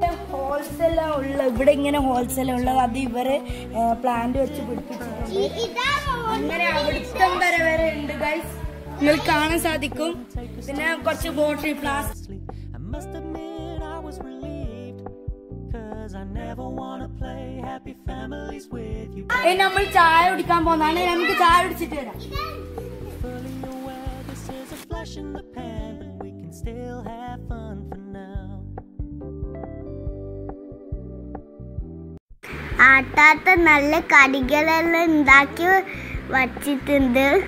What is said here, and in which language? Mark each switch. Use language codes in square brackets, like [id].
[ml] ഹോൾസെല്ലാം ഉള്ള ഇവിടെ ഇങ്ങനെ ഹോൾസെല്ലാം ഉള്ളത് അത് ഇവര് പ്ലാന്റ് വെച്ച് പിടിപ്പിച്ചിട്ടുണ്ട്. അങ്ങനെ അവിടുത്തെ വരെ ഉണ്ട് ഗൈസ്, നിങ്ങൾക്ക് കാണാൻ [en] cause I never wanna play happy families with you. [ml] Hey, നമ്മൾ ചായ കുടിക്കാൻ പോകുന്നാണ്. നമുക്ക് ചായ കുടിച്ചിട്ട് വരാം. [en] Fully aware this is a flash in the pan, but we can still have fun for now. [ml] ആട്ടാത്ത നല്ല കടികളെല്ലാം ഉണ്ടാക്കി വച്ചിട്ടുണ്ട്.